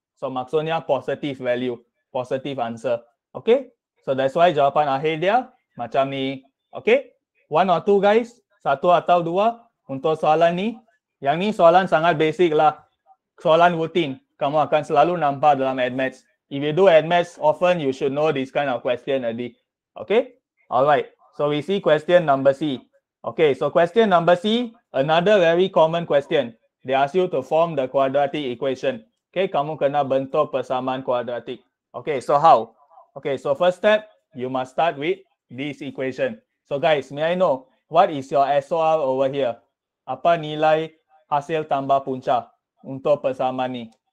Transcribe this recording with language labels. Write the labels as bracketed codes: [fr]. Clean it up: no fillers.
[en] So, maksudnya positive value. Positive answer. Okay? So, that's why [ms] jawapan akhir dia macam ni. [en] Okay? One or two guys. [ms] Satu atau dua untuk soalan ni. Yang ni soalan sangat basic lah. Soalan rutin. Kamu akan selalu nampak dalam AdMaths. [en] If you do AdMaths often, you should know this kind of question already. Okay? Alright. So, we see question number C. Okay, so question number C, another very common question. They ask you to form the quadratic equation. Okay, [ms] kamu kena bentuk persamaan kuadratik. [en] Okay, so how? Okay, so first step, you must start with this equation. So guys, may I know, what is your SOR over here? [ms] Apa nilai hasil tambah punca untuk persamaan ni?